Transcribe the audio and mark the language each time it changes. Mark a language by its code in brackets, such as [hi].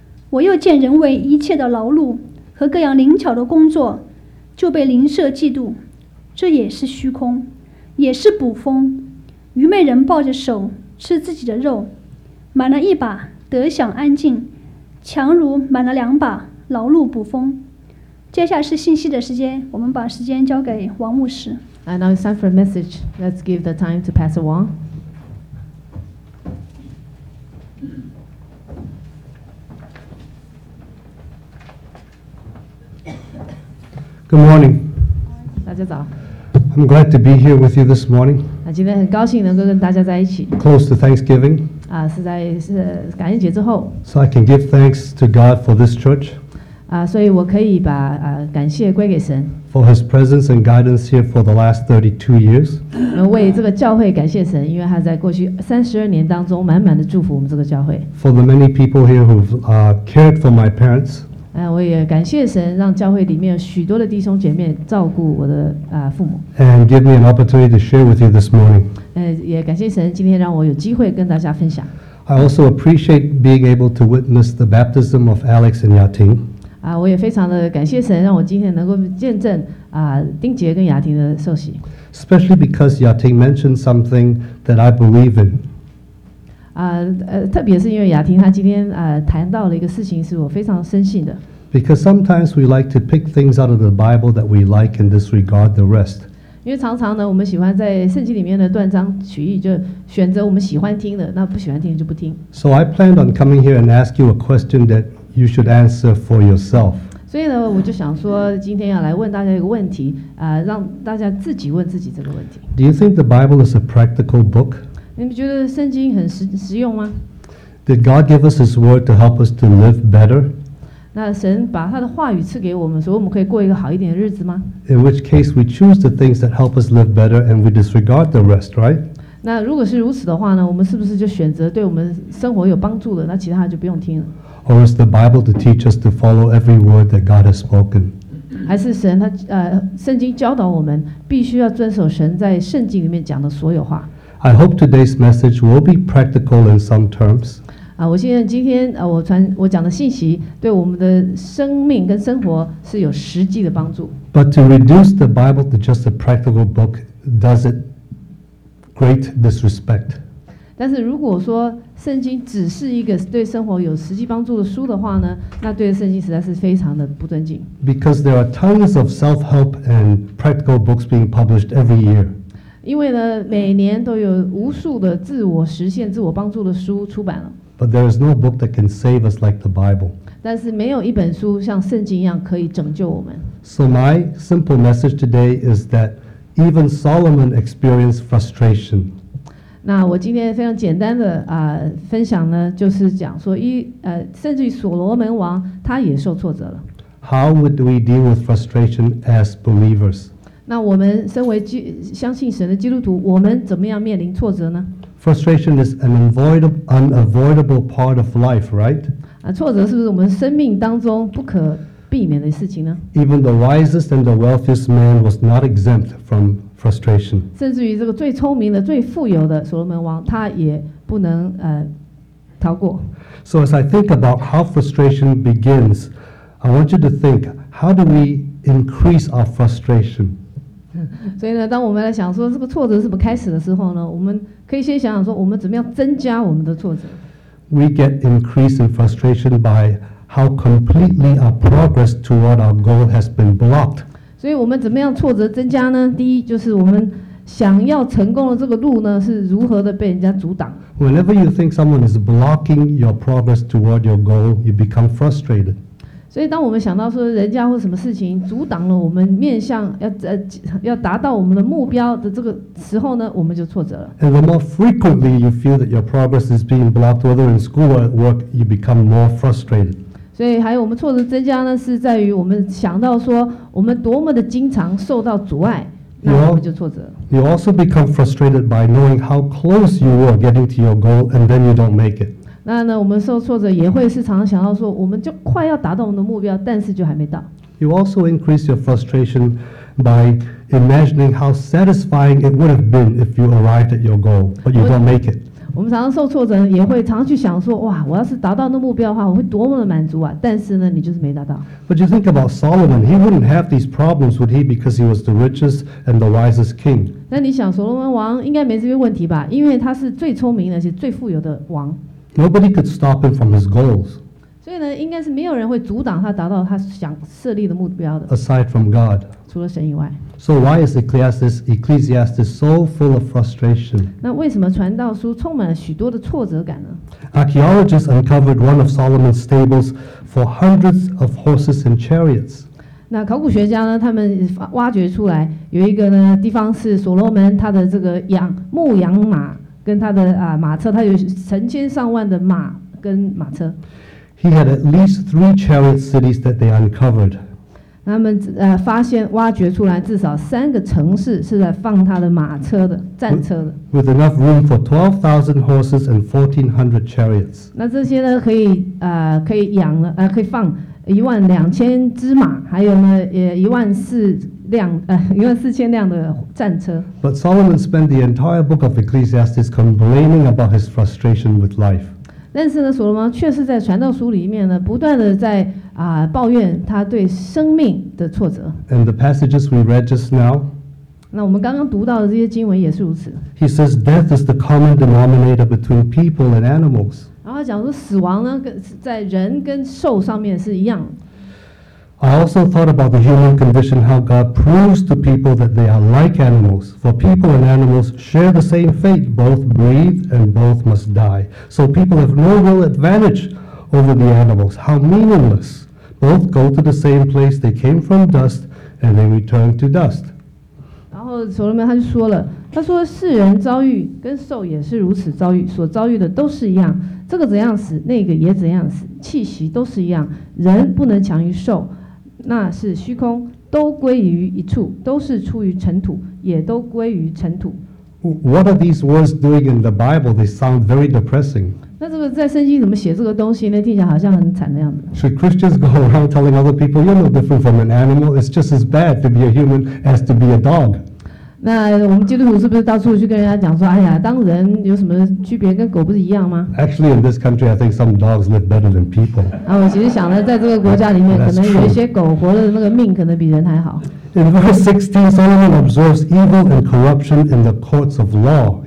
[zh] 我又见人为一切的劳碌和各样灵巧的工作，就被灵舍嫉妒，这也是虚空，也是捕风。愚昧人抱着手吃自己的肉，满了一把得享安静，强如满了两把劳碌捕风。接下来是信息的时间，我们把时间交给王牧师。 [en] And now it's time for a message. Let's give the time to Pastor Wong. Good morning. [zh] 大家早。 [en] I'm glad to be here with you this morning. [zh] 今天很高兴能够跟大家在一起。 [en] Close to Thanksgiving. [zh] 是在感恩节之后。 [en] So I can give thanks to God for this church. [zh] 所以我可以把感谢归给神。 [en] For His presence and guidance here for the last 32 years. [zh] 为这个教会感谢神，因为他在过去32年当中满满的祝福我们这个教会。 [en] For the many people here who've cared for my parents. [zh] 我也感谢神，让教会里面许多的弟兄姐妹照顾我的父母。 [en] And give me an opportunity to share with you this morning. [zh] 也感谢神，今天让我有机会跟大家分享。 [en] I also appreciate being able to witness the baptism of Alex and Yating. [zh] 我也非常的感谢神，让我今天能够见证丁杰跟雅婷的受洗。 [en] Especially because Yating mentioned something that I believe in. [zh] 特别是因为雅婷她今天谈到了一个事情，是我非常深信的。 [en] Because sometimes we like to pick things out of the Bible that we like and disregard the rest. [zh] 因为常常呢，我们喜欢在圣经里面的断章取义，就选择我们喜欢听的，那不喜欢听就不听。 [en] So I planned on coming here and ask you a question that you should answer for yourself. [zh] 所以呢，我就想说今天要来问大家一个问题，让大家自己问自己这个问题。 [en] Do you think the Bible is a practical book? [zh] 你们觉得圣经很实用吗？ [en] Did God give us His word to help us to live better? [zh] 那神把他的话语赐给我们，所以我们可以过一个好一点的日子吗？ [en] In which case we choose the things that help us live better and we disregard the rest, right? [zh] 那如果是如此的话呢，我们是不是就选择对我们生活有帮助的，那其他就不用听了？ [en] Or is the Bible to teach us to follow every word that God has spoken? [zh] 还是神他圣经教导我们必须要遵守神在圣经里面讲的所有话。 [en] I hope today's message will be practical in some terms. [zh] 我现在今天我讲的信息对我们的生命跟生活是有实际的帮助。 [en] But to reduce the Bible to just a practical book does it great disrespect. [zh] 但是如果说圣经只是一个对生活有实际帮助的书的话呢，那对圣经实在是非常的不尊敬。 [en] Because there are tons of self-help and practical books being published every year. [zh] 因为呢，每年都有无数的自我实现、自我帮助的书出版了。 [en] But there is no book that can save us like the Bible. [zh] 但是没有一本书像圣经一样可以拯救我们。 [en] So my simple message today is that even Solomon experienced frustration. [zh] 那我今天非常简单的分享呢，就是讲说甚至于所罗门王他也受挫折了。 [en] How would we deal with frustration as believers? [zh] 那我们身为相信神的基督徒，我们怎么样面临挫折呢？ [en] Frustration is an unavoidable part of life, right? [zh] 挫折是不是我们生命当中不可避免的事情呢？ [en] Even the wisest and the wealthiest man was not exempt from frustration. [zh] 甚至于这个最聪明的、最富有的所罗门王，他也不能逃过。 [en] So as I think about how frustration begins, I want you to think, how do we increase our frustration? [zh] 所以呢，当我们来想说这个挫折是怎么开始的时候呢，我们可以先想想说，我们怎么样增加我们的挫折。 [en] We get increase in frustration by how completely our progress toward our goal has been blocked. [zh] 所以我们怎么样挫折增加呢？第一就是我们想要成功的这个路呢，是如何的被人家阻挡。 [en] Whenever you think someone is blocking your progress toward your goal, you become frustrated. [zh] 所以当我们想到说人家或什么事情阻挡了我们面向要达到我们的目标的这个时候呢，我们就挫折了。 [en] And the more frequently you feel that your progress is being blocked, whether in school or at work, you become more frustrated. [zh] 所以还有我们挫折增加呢，是在于我们想到说我们多么的经常受到阻碍，那我们就挫折。 [en] You also become frustrated by knowing how close you were getting to your goal and then you don't make it. [zh] 那呢，我们受挫折也会是常常想到说，我们就快要达到我们的目标，但是就还没到。 [en] You also increase your frustration by imagining how satisfying it would have been if you arrived at your goal, but you don't make it. [zh] 我们常常受挫折，也会常去想说：“哇，我要是达到那目标的话，我会多么的满足啊！” 但是呢，你就是没达到。 [en] But you think about Solomon, he wouldn't have these problems, would he? Because he was the richest and the wisest king. [zh] 那你想，所罗门王应该没这些问题吧？因为他是最聪明而且最富有的王。 [en] Nobody could stop him from his goals. [zh] 所以呢，应该是没有人会阻挡他达到他想设立的目标的。 [en] Aside from God. [zh] 除了神以外。 [en] So why is Ecclesiastes so full of frustration? [zh] 那为什么传道书充满了许多的挫折感呢？ [en] Archaeologists uncovered one of Solomon's stables for hundreds of horses and chariots. [zh] 那考古学家呢，他们挖掘出来有一个呢地方是所罗门他的这个牧羊马跟他的马车，他有成千上万的马跟马车。 [en] He had at least three chariot cities that they uncovered. [zh] 他们发现挖掘出来至少三个城市是在放他的马车的战车的。 [en] With enough room for 12,000 horses and 1,400 chariots. [zh] 那这些呢可以养了可以放12,000只马，还有呢也14,000辆的战车。 [en] But Solomon spent the entire book of Ecclesiastes complaining about his frustration with life. [zh] 但是呢，所罗门却是在传道书里面呢，不断的在抱怨他对生命的挫折。 [en] And the passages we read just now. [zh] 那我们刚刚读到的这些经文也是如此。 [en] He says death is the common denominator between people and animals. [zh] 然后讲说死亡呢，在人跟兽上面是一样。 [en] I also thought about the human condition, how God proves to people that they are like animals. For people and animals share the same fate, both breathe and both must die. So people have no real advantage over the animals. How meaningless. Both go to the same place, they came from dust, and they return to dust. [zh] 然后所罗门他就说了，他说世人遭遇跟兽也是如此遭遇，所遭遇的都是一样，这个怎样死，那个也怎样死，气息都是一样，人不能强于兽。那是虚空，都归于一处，都是出于尘土，也都归于尘土。 [en] What are these words doing in the Bible? They sound very depressing. [zh] 那这个在圣经怎么写这个东西呢？听起来好像很惨的样子。 [en] Should Christians go around telling other people you're no different from an animal? It's just as bad to be a human as to be a dog. [zh] 那我们基督徒是不是到处去跟人家讲说，哎呀，当人有什么区别？跟狗不是一样吗？ [en] Actually, in this country, I think some dogs live better than people. [zh] 我其实想呢，在这个国家里面，可能有一些狗活的那个命可能比人还好。 [en] In verse 16, Solomon observes evil and corruption in the courts of law.